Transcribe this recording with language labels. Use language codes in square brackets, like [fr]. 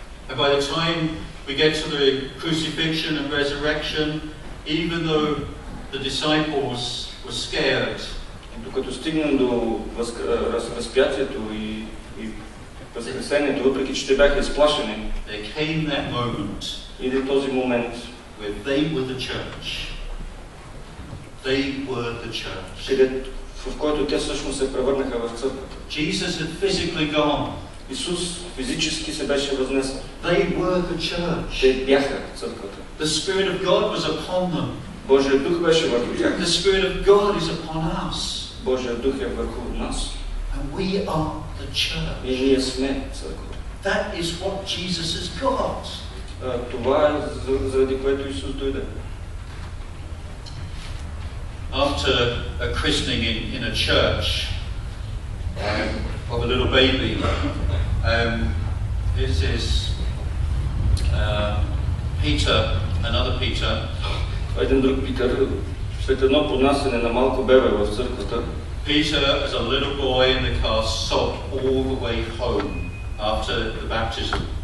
[en] And by the time we get to the crucifixion and resurrection, even though the disciples were scared. [bg] Докато стигнем до разпятието и възкресението, въпреки че те бяха изплашени, [en] there came that moment, [bg] иде този момент, [en] where they were the church. They were the church. [bg] В който те всъщност се превърнаха в църквата. [en] Jesus had physically gone. [bg] Исус физически се беше възнесъл. [en] They were the church. [bg] Те бяха църквата. [en] The Spirit of God was upon them. [bg] Божия Дух беше върху тях. [en] The Spirit of God is upon us. [bg] Божия Дух е върху нас. [en] And we are the church. [bg] И ние сме църквата. [en] That is what Jesus has got. [bg] Това е заради което Исус дойде. [en] After a christening in a church, of a little baby. This is Peter, another Peter. [bg] Един друг Питър, след едно поднасене на малко бебе в църквата. [en] Peter, as a little boy in the car, sobbed all the way home after the baptism.